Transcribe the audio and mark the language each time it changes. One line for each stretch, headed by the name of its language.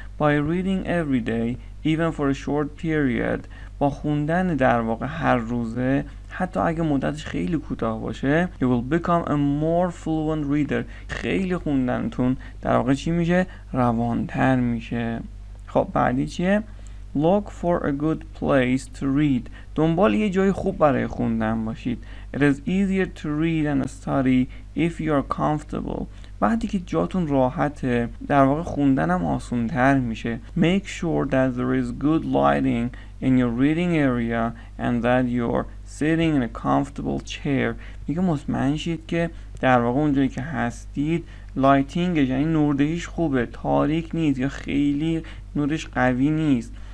English: By reading every day even for a short period،
Persian: با خوندن در واقع هر روزه حتی اگه مدتش خیلی کوتاه باشه،
English: you will become a more fluent reader،
Persian: خیلی خوندنتون در واقع چی میشه؟ روانتر میشه. خب بعدی چیه؟
English: Look for a good place to read،
Persian: دنبال یه جای خوب برای خوندن باشید.
English: It is easier to read and study if you are comfortable،
Persian: وقتی که جاتون راحته در واقع خوندنم آسان‌تر میشه.
English: Make sure that there is good lighting in your reading area and that you're sitting in a comfortable chair،
Persian: میگه مطمئن شید که در واقع اونجایی که هستید لایتینگش، یعنی نوردهیش خوبه، تاریک نیست یا خیلی نورش قوی نیست،